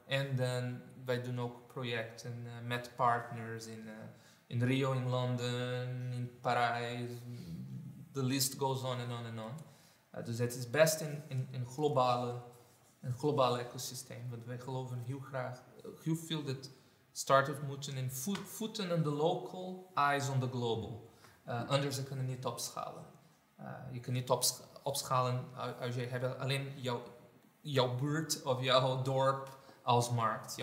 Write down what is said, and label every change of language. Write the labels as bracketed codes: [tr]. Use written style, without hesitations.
[nl] En dan wij doen ook projecten met partners in Rio, in Londen, in Parijs. [en] The list goes on and on and on. [nl] Dus het is best een globale ecosysteem. Want wij geloven heel veel dat startups moeten in voeten [en] in the local, eyes on the global. [nl] Anders kan je niet opschalen. Je kan niet opschalen als je hebt alleen jouw buurt of jouw dorp als markt.